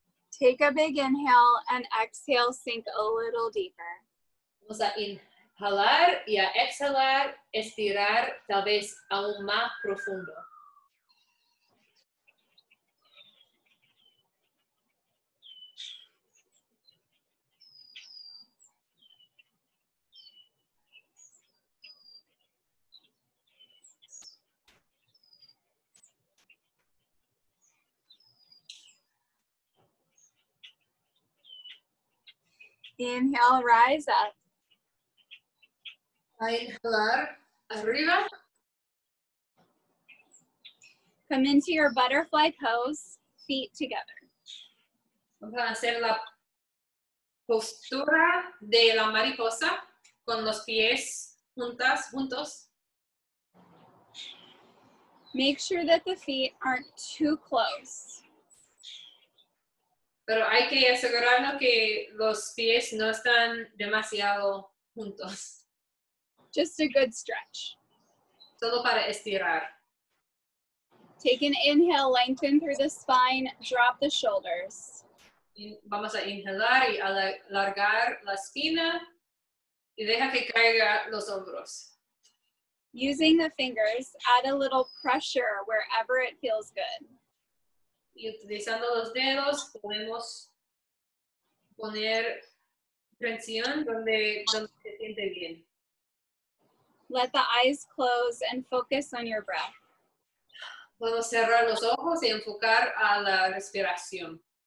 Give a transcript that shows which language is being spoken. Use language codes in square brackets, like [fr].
[en] Take a big inhale and exhale, sink a little deeper. [es] Vamos a inhalar y a exhalar, estirar tal vez aún más profundo. [en] Inhale, rise up. [es] Inhalar, arriba. [en] Come into your butterfly pose, feet together. [es] Vamos a hacer la postura de la mariposa con los pies juntos. [en] Make sure that the feet aren't too close. [es] Pero hay que asegurarnos que los pies no están demasiado juntos. [en] Just a good stretch. [es] Solo para estirar. [en] Take an inhale, lengthen through the spine, drop the shoulders. [es] Vamos a inhalar y alargar la espina y deja que caiga los hombros. [en] Using the fingers, add a little pressure wherever it feels good. [es] Y utilizando los dedos, podemos poner tensión donde se siente bien. [en] Let the eyes close and focus on your breath. [es] Puedo cerrar los ojos y enfocar a la respiración.